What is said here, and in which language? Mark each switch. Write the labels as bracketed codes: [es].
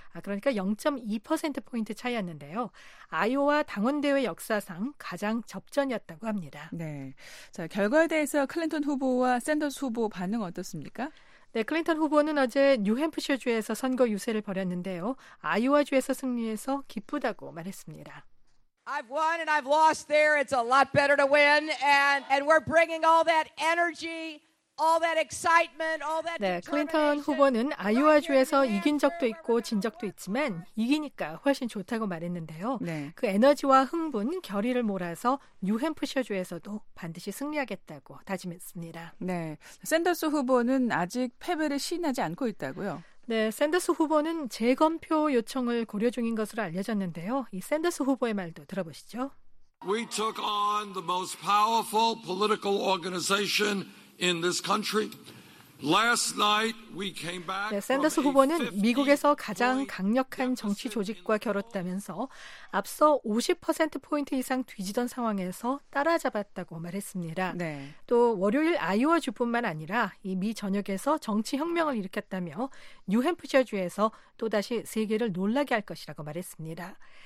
[ko] 그러니까 0.2%포인트 차이였는데요. 아이오와 당원대회 역사상 가장 접전이었다고 합니다. 네. 자, 결과에 대해서 클린턴 후보와 샌더스 후보 반응 어떻습니까? 네, 클린턴 후보는 어제 뉴햄프셔주에서 선거 유세를 벌였는데요. 아이오와주에서 승리해서 기쁘다고 말했습니다. [en] I've won and I've lost there. It's a lot better to win. And we're bringing all that energy, all that excitement, all that determination. [ko] 네, 클린턴 후보는 아이오와주에서 이긴 적도 있고 진 적도 있지만 이기니까 훨씬 좋다고 말했는데요. 네. 그 에너지와 흥분, 결의를 몰아서 뉴햄프셔주에서도 반드시 승리하겠다고 다짐했습니다. 네, 샌더스 후보는 아직 패배를 시인하지 않고 있다고요? 네, 샌더스 후보는 재검표 요청을 고려 중인 것으로 알려졌는데요. 이 샌더스 후보의 말도 들어보시죠. [en] We took on the most powerful political organization in this country. Last night we came back. [ko] 네, 샌더스 후보는 미국에서 가장 강력한 정치 조직과 겨뤘다면서 앞서 50% 포인트 이상 뒤지던 상황에서 따라잡았다고 말했습니다. 네. 또 월요일 아이오와 주뿐만 아니라 이 미 전역에서 정치 혁명을 일으켰다며 뉴햄프셔 주에서 또 다시 세계를 놀라게 할 것이라고 말했습니다.